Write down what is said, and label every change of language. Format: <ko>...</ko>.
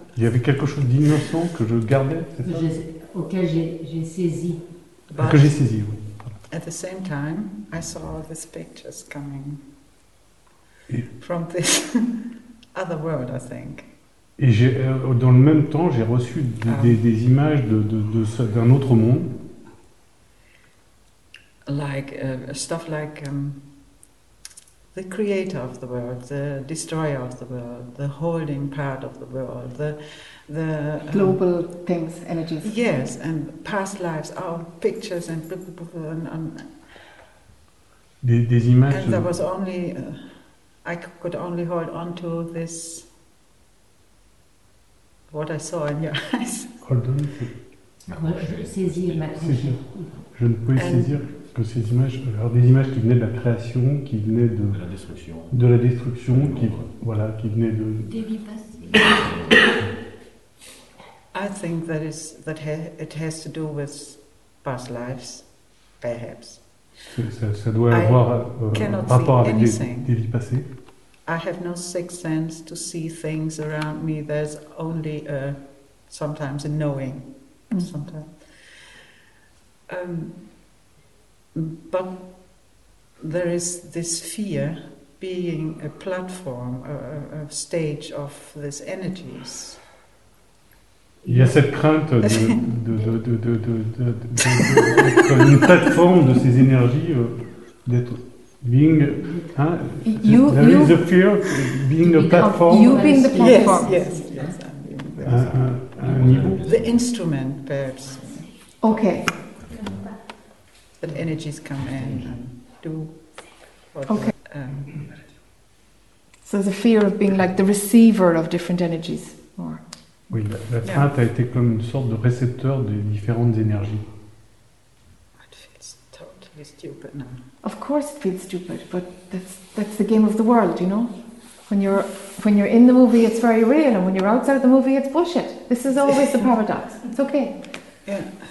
<fr>Il y avait quelque chose d'innocent que je gardais, c'est ça? Auquel j'ai saisi. Que j'ai saisi, oui.</fr> <en>At the same time, I saw these pictures coming from this other world, I think.</en> <fr>Et dans le même temps, j'ai reçu des images d'un autre monde.</fr> <en>Like stuff like the creator of the world, the destroyer of the world, the holding part of the world, the global things, energies. Yes, and past lives, our pictures, and blah, blah, blah, blah, and</en> <fr>des images.</fr> <en>And there was only I could only hold on to this. What I saw in your eyes. Hold on.</en> <fr>saisir ma création. Je ne pouvais saisir que ces images, alors des images qui venaient de la création, qui venaient de la destruction. De la destruction, qui, voilà, qui venaient de. Des vies passées.</fr> <en>I think that is that it has to do with past lives, perhaps.</en> <fr>Ça doit avoir rapport avec des vies passées.</fr> <en>I have no sixth sense to see things around me. There's only sometimes a knowing, sometimes. But there is this fear being a platform, a stage of these energies.</en> <fr>Il y a cette crainte de une plateforme de ces énergies d'être being hein,</fr> <en>you, there you, is a fear being a platform. You being the platform. Yes, yes, yes.</en> <fr>Un niveau.</fr> <en>The instrument, perhaps. Okay. That energies come in and do. Okay. So the fear of being like the receiver of different energies, or.</en> <fr>Oui, la crainte a été comme une sorte de récepteur des différentes énergies.</fr> <en>It feels totally stupid now. Of course, it feels stupid, but that's the game of the world, you know. When you're in the movie, it's very real, and when you're outside the movie, it's bullshit. This is always the paradox. It's okay. Yeah.</en>